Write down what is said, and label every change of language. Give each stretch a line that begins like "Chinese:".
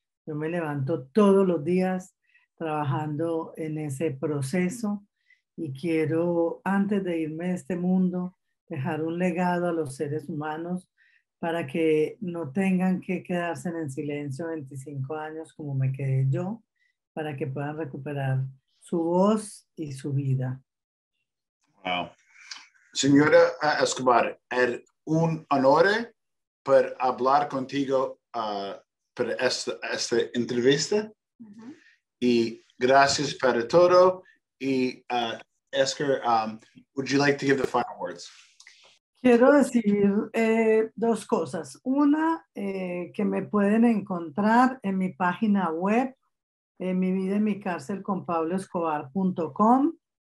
Spanish: Yo me levanto todos los días trabajando en ese proceso, y quiero, antes de irme de este mundo, dejar un legado a los seres humanos para que no tengan que quedarse en silencio 25 años como me quedé yo, para que puedan recuperar su voz y su vida. Wow. Señora Escobar, es un honor para hablar contigo para esta entrevista. Y gracias para todo.
English: Y Esker, would you like to give the final words?
Spanish: Quiero decir dos cosas. Una, que me pueden encontrar en mi página web, en Mi Vida en Mi Cárcel con Pablo Escobar.com.